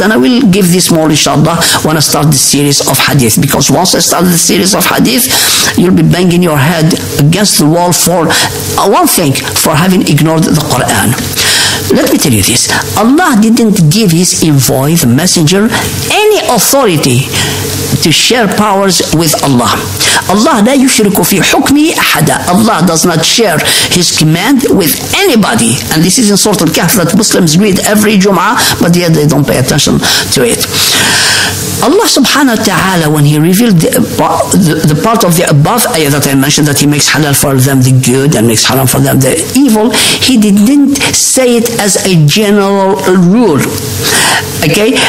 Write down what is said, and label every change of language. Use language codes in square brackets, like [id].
[en] And I will give this more inshallah when I start the series of hadith, because once I start the series of hadith, you'll be banging your head against the wall for one thing, for having ignored the Quran. Let me tell you this, Allah didn't give his envoy, the messenger, any authority to share powers with Allah. [ar] Allah لا يشرك في حكمه أحدا. [en] Allah does not share his command with anybody. And this is in Surah Al-Kahf that Muslims read every Jum'ah, but yet they don't pay attention to it. Allah subhanahu wa ta'ala, when he revealed the part of the above ayah that I mentioned, that he makes halal for them the good and makes haram for them the evil, he didn't say it as a general rule. Okay?